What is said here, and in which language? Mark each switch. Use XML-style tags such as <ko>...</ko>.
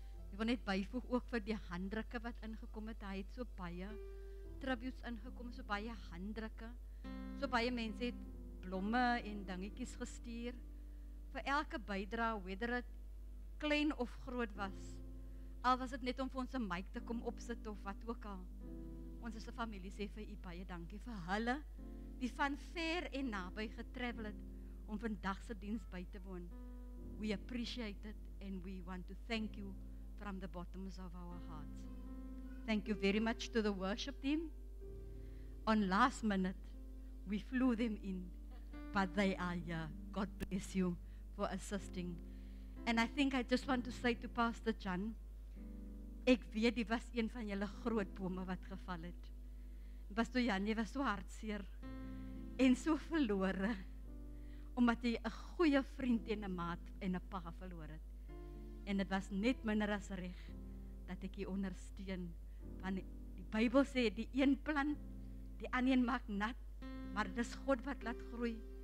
<af>Ek wil net byvoeg ook vir die handdrukke wat ingekom het. Hy het so baie tributes ingekom, so baie handdrukke. So baie mense het blomme en dingetjies gestuur. Vir elke bydra,</af> <en>whether it</en> <af>klein of groot was, al was het net om vir ons een mic te kom opsit of wat ook al. Ons is die familie, sê vir u baie dankie vir hulle, die van ver en naby getravel het, om vandag se diens by te woon.</af> <en>We appreciate it and we want to thank you from the bottoms of our hearts. Thank you very much to the worship team. On last minute, we flew them in, but they are here. God bless you for assisting. And I think I just want to say to Pastor Chan,</en> <af>ek weet die was een van julle groot bome wat geval het. Pastor Jan, jy was so hartseer en so verlore, omdat jy 'n goeie vriend en 'n maat en 'n pa verloor het. En het was net minder as reg dat ek jy ondersteun. Want die Bybel sê, die een plant, die ander maak nat, maar het is God wat laat groei.</af>